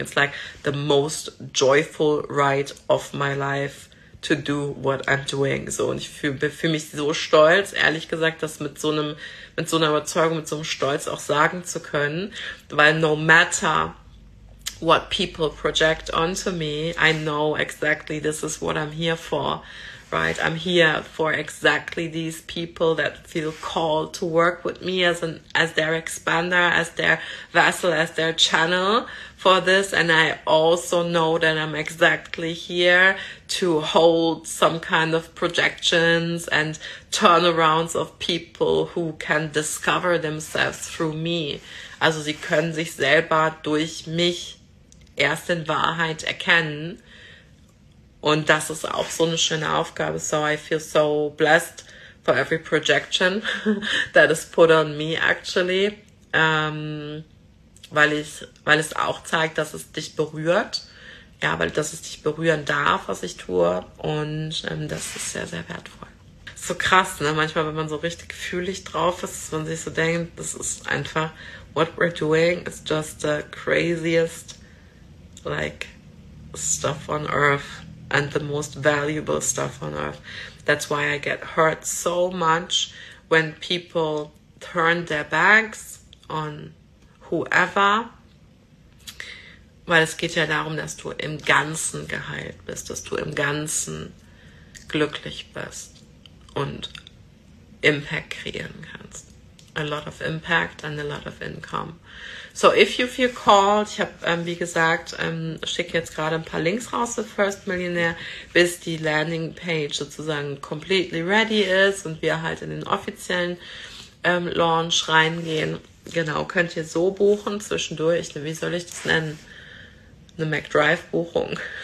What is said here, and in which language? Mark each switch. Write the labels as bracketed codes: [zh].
[en] It's like the most joyful ride of my life to do what I'm doing, so, [de] und ich fühle mich so stolz, ehrlich gesagt, das mit so einer Überzeugung, mit so einem Stolz auch sagen zu können, weil [en] no matter what people project onto me, I know exactly this is what I'm here for, right? I'm here for exactly these people that feel called to work with me as their expander, as their vessel, as their channel for this. And I also know that I'm exactly here to hold some kind of projections and turnarounds of people who can discover themselves through me. [de] Also sie können sich selber durch mich erst in Wahrheit erkennen. Und das ist auch so eine schöne Aufgabe. [en] So I feel so blessed for every projection that is put on me, actually. [de] Weil es auch zeigt, dass es dich berührt. Ja, weil dass es dich berühren darf, was ich tue. Und das ist sehr, sehr wertvoll. So krass, ne? Manchmal, wenn man so richtig fühlig drauf ist, wenn man sich so denkt, das ist einfach, [en] what we're doing is just the craziest, like, stuff on earth. And the most valuable stuff on earth. That's why I get hurt so much when people turn their backs on whoever. [de] Weil es geht ja darum, dass du im Ganzen geheilt bist, dass du im Ganzen glücklich bist und Impact kreieren kannst. [en] A lot of impact and a lot of income. So if you feel called, [de] ich habe, wie gesagt, schicke jetzt gerade ein paar Links raus für First Millionaire, bis die Landingpage sozusagen completely ready ist und wir halt in den offiziellen Launch reingehen. Genau, könnt ihr so buchen zwischendurch, wie soll ich das nennen? Eine McDrive-Buchung.